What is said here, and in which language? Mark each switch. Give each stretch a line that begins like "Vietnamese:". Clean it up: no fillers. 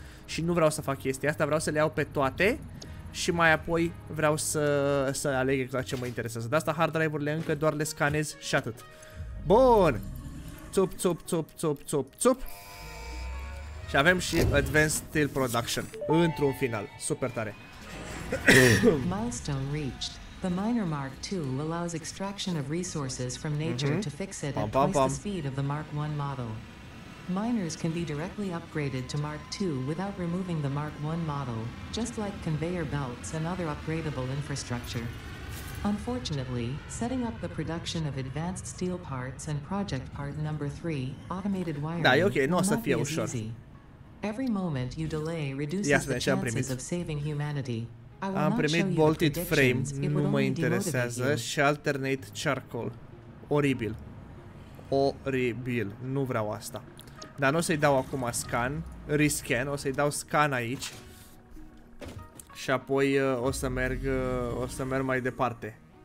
Romanian: Și nu vreau să fac chestia asta, vreau să le iau pe toate și mai apoi vreau să aleg exact ce mă interesează. De asta hard drive-urile încă doar le scanez și atât. Bun! Țup, țup, țup, țup, țup, țup! Și avem și Advanced Steel Production într-un final, super tare.
English: Milestone reached. The miner Mark 2 allows extraction of resources from nature to fix it at twice the speed of the Mark 1 model. Miners can be directly upgraded to Mark 2 without removing the Mark 1 model, just like conveyor belts and other upgradable infrastructure. Unfortunately, setting up the production of advanced steel parts and project part number 3, automated wiring, da, okay, no, will not be as easy. Every moment you delay reduces the chances of saving humanity.
Romanian: Am primit bolted frame, nu mă interesează, și alternate charcoal. Oribil. Oribil, nu vreau asta. Dar nu o să-i dau acum scan, rescan, o să-i dau scan aici. Și apoi o să merg mai departe.